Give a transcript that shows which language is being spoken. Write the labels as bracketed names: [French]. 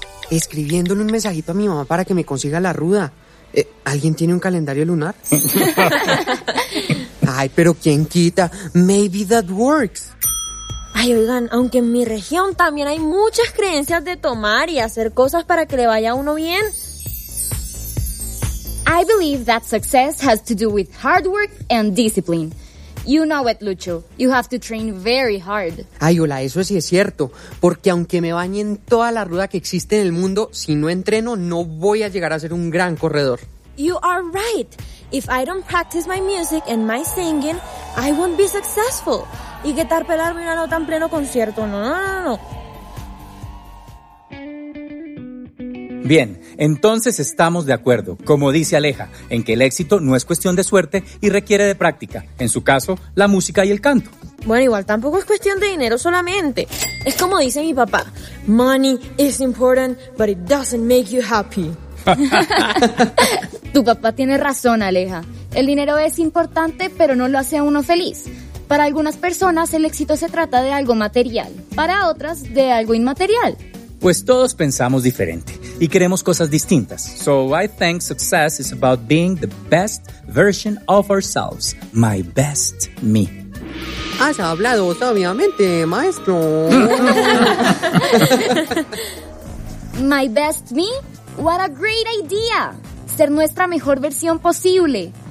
[Spanish] Escribiéndole un mensajito a mi mamá para que me consiga la ruda. ¿Alguien tiene un calendario lunar? Ay, pero ¿quién quita? [English] Maybe that works. [Spanish] Ay, oigan, aunque en mi región también hay muchas creencias de tomar y hacer cosas para que le vaya a uno bien. [English] I believe that success has to do with hard work and discipline. You know it, Lucho. You have to train very hard. [Spanish] Ay, hola, eso sí es cierto. Porque aunque me bañe en toda la ruda que existe en el mundo, si no entreno, no voy a llegar a ser un gran corredor. [English] You are right. If I don't practice my music and my singing, I won't be successful. [Spanish] ¿Y qué tal pelarme una nota en pleno concierto? No. Bien, entonces estamos de acuerdo, como dice Aleja, en que el éxito no es cuestión de suerte y requiere de práctica. En su caso, la música y el canto. Bueno, igual tampoco es cuestión de dinero solamente. Es como dice mi papá, [English] money is important, but it doesn't make you happy. [Spanish] Tu papá tiene razón, Aleja. El dinero es importante, pero no lo hace a uno feliz. Para algunas personas, el éxito se trata de algo material. Para otras, de algo inmaterial. Pues todos pensamos diferente y queremos cosas distintas. [English] So I think success is about being the best version of ourselves. My best me. [Spanish] Has hablado sabiamente, maestro. [English] My best me? What a great idea! [Spanish] Ser nuestra mejor versión posible.